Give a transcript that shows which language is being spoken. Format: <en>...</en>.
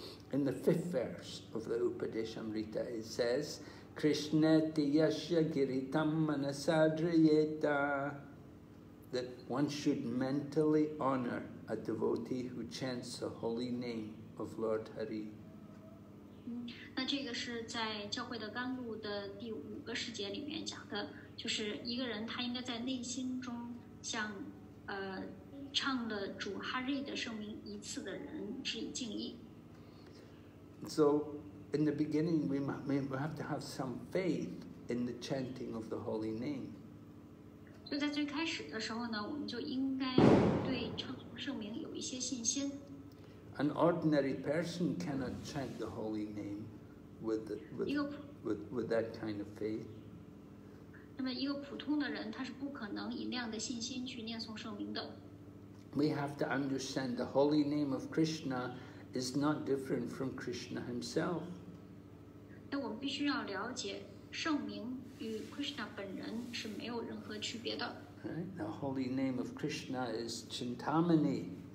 <en>In the fifth verse of the Upadeshamrita, it says,</en> <sa>"Krishna te yasya giritam manasadriyeta."</sa> <en>that one should mentally honor a devotee who chants the holy name of Lord Hari.</en> <zh>那这个是在教会的纲录的第五个十节里面讲的，就是一个人他应该在内心中向唱了主哈瑞的圣名一次的人致以敬意。</zh> <en>So in the beginning, we have to have some faith in the chanting of the holy name.</en> <zh>所以在最开始的时候呢，我们就应该对唱圣名有一些信心。</zh> <en>An ordinary person cannot chant the holy name with that kind of faith.</en> <zh>那么一个普通的人，他是不可能以那样的信心去念诵圣名的。</zh> <en>We have to understand the holy name of Krishna is not different from Krishna himself.</en> <zh>那我们必须要了解，圣名与 Krishna 本人是没有任何区别的。</zh> <en>The holy name of Krishna is Chintamani.</en>